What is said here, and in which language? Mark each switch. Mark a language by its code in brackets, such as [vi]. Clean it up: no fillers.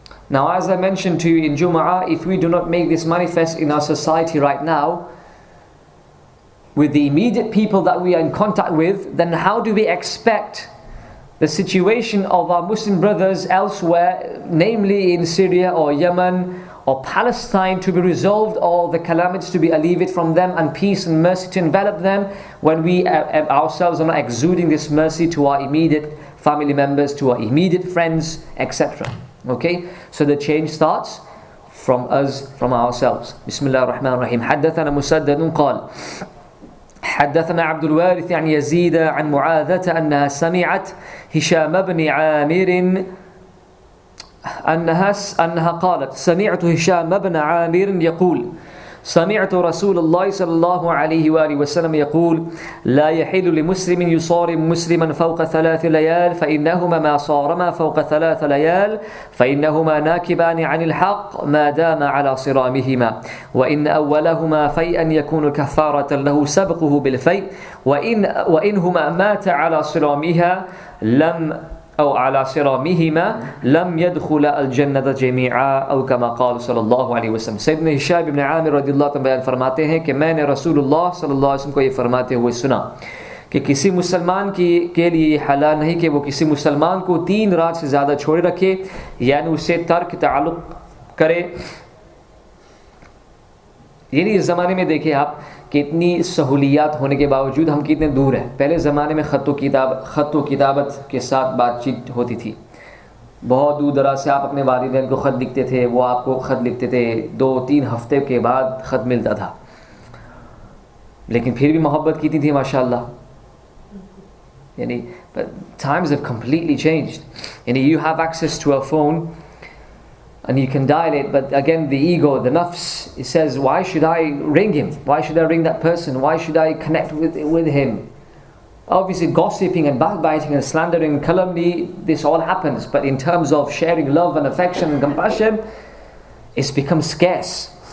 [en] Now, as I mentioned to you in Jumu'ah, if we do not make this manifest in our society right now, with the immediate people that we are in contact with, then how do we expect the situation of our Muslim brothers elsewhere, namely in Syria or Yemen or Palestine, to be resolved, or the calamities to be alleviated from them, and peace and mercy to envelop them, when we ourselves are not exuding this mercy to our immediate family members, to our immediate friends, etc.? Okay, so the change starts from us, from ourselves. [ar] Bismillah ar-Rahman ar-Rahim. حدثنا مسدد قال حدثنا عبد الوارث عن يزيد عن معاذة أنها سمعت هشام بن عامر أنها قالت سمعت هشام بن عامر يقول سمعت رسول الله صلى الله عليه وآله وسلم يقول لا يحل لمسلم يصارم مسلما فوق ثلاث ليال فإنهما ما صارما فوق ثلاث ليال فإنهما ناكبان عن الحق ما دام على صرامهما وإن أولهما فيئا يكون كفارة له سبقه بالفيء وإنهما مات على صرامها لم أو على صرامهما لم يدخل الجنة جميعا أو كما قال صلى الله عليه وسلم. [ur] سيدنا هشام بن عامر رضي الله عنه بيان فرماتے ہیں کہ میں نے رسول اللہ صلی اللہ علیہ وسلم کو یہ فرماتے ہوئے سنا کہ کسی مسلمان کے لیے یہ حلال نہیں کہ وہ کسی مسلمان کو تین رات سے زیادہ چھوڑے رکھے یعنی اسے ترک تعلق کرے. یعنی اس زمانے میں دیکھیں آپ کتنی سہولیات ہونے کے باوجود ہم کتنے دور ہیں. پہلے زمانے میں خط و کتابت کے ساتھ بات چیت ہوتی تھی, بہت دور دراز سے آپ اپنے والدین کو خط لکھتے تھے, وہ آپ کو خط لکھتے تھے, دو تین ہفتے کے بعد خط ملتا تھا, لیکن پھر بھی محبت کتنی تھی ماشاءاللہ. [en] یعنی times have completely changed. یعنی you have access to a phone and you can dial it, but again the ego, the nafs, it says, why should I ring him? Why should I ring that person? Why should I connect with him? Obviously gossiping and backbiting and slandering and calumny, this all happens, but in terms of sharing love and affection and compassion, it's become scarce.